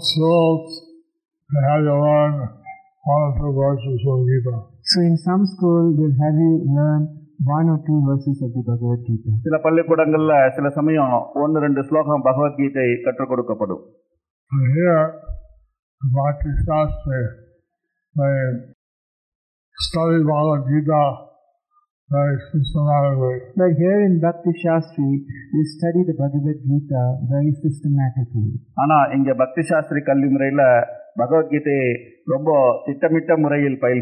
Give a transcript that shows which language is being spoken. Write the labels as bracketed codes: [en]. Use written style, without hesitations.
[en] They have you learn one or two verses of Gita. So in some school, they'll have you learn one or two verses of the Bhagavad Gita. [ta] சில பள்ளிக்கூடங்கள்ல சில சமயம் ஒன்னு ரெண்டு ஸ்லோகம் பகவத் கீதை கற்றுக் கொடுக்கப்படும். [en] Here, Bhakti Shastri, they study Bhagavad Gita very systematically. But here in Bhakti Shastri, they study the Bhagavad Gita very systematically. [ta] ஆனா இங்க பக்தி சாஸ்திரி கல்வி முறையில பகவத்கீதையை ரொம்ப திட்டமிட்ட முறையில்